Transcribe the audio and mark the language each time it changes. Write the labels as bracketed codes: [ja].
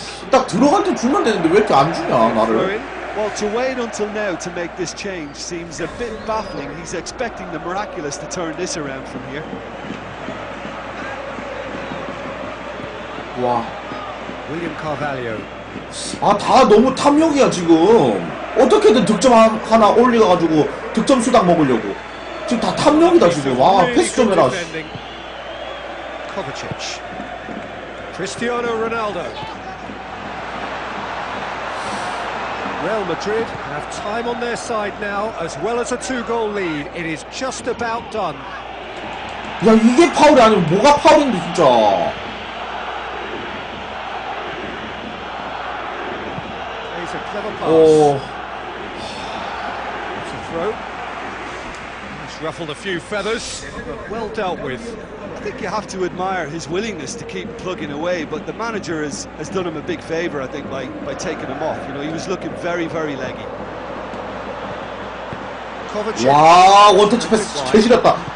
[ko] 딱 들어갈 때 주면 되는데 왜 이렇게 안 주냐 나를. [en] Well, to wait until now to make this change seems a bit baffling. He's expecting the miraculous to turn this around from here. 와. William Carvalho. [ko] 아, 다 너무 탐욕이야 지금. 어떻게든 득점 하나 올려가지고 득점 수당 먹으려고. 지금 다 탐욕이다 지금. 와, 패스 좀 해라. [en] Kovacic. Cristiano Ronaldo. Real Madrid have time on their side now, as well as a two-goal lead. It is just about done. [ko] 야, 이게 파울이 아니면 뭐가 파울인데 진짜. [en] 오. It's a throw. It's ruffled a few feathers, but well dealt with. I think you have to admire his willingness to keep plugging away, but the manager has done him a big favor, I think, by taking him off. You know, he was looking very, very leggy. [ko] 와, 원터치 패스 개지렸다.